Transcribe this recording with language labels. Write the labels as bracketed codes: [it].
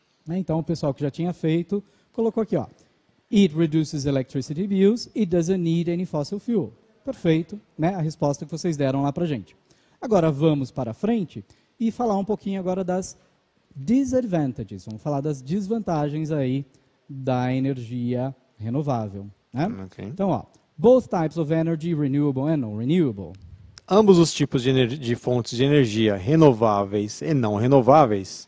[pt] Então, o pessoal que já tinha feito, colocou aqui, ó. [en] It reduces electricity bills, it doesn't need any fossil fuel. [pt] Perfeito, né? A resposta que vocês deram lá para a gente. Agora, vamos para frente e falar um pouquinho agora das disadvantages. Vamos falar das desvantagens aí da energia renovável. Né? Okay. [en] Então, ó, both types of energy, renewable and non-renewable. [pt] Ambos os tipos de fontes de energia, renováveis e não renováveis,